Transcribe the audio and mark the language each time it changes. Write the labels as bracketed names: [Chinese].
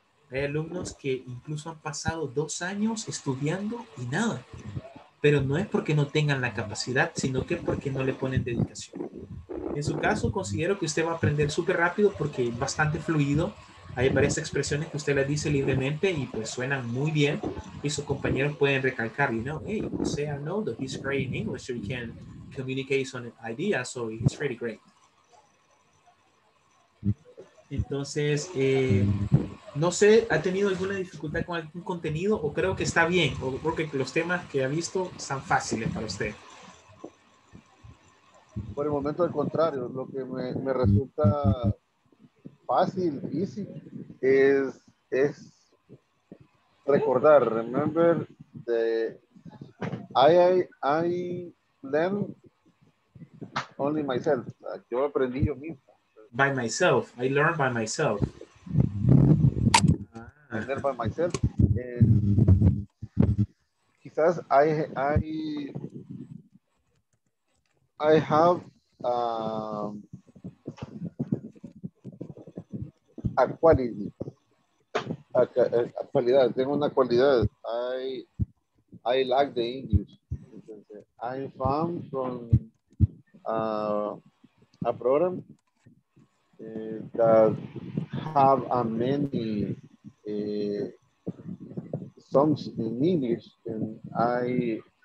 [Spanish] Hay alumnos que incluso han pasado 2 años estudiando y nada. Pero no es porque no tengan la capacidad, sino que porque no le ponen dedicación. En su caso, considero que usted va a aprender súper rápido porque es bastante fluido. Hay varias expresiones que usted las dice libremente y pues suenan muy bien. Y sus compañeros pueden recalcar, [English] you know, hey, Jose, I know that he's great in English, so he can communicate some ideas, so he's really great. [Spanish] Entonces, no sé, ¿ha tenido alguna dificultad con algún contenido? O creo que está bien, o porque los temas que ha visto son fáciles para usted. Por el momento, al contrario, lo que me resulta fácil, easy, es recordar, remember, [English] the I learn only myself. [Spanish] Yo aprendí yo mismo. [English] By myself, I learned by myself. Learn by myself. [Spanish] Quizás [English] I have a [Spanish] cualidad, tengo una cualidad. [English] I like the English. I found from a program that have a many songs in English, and I am.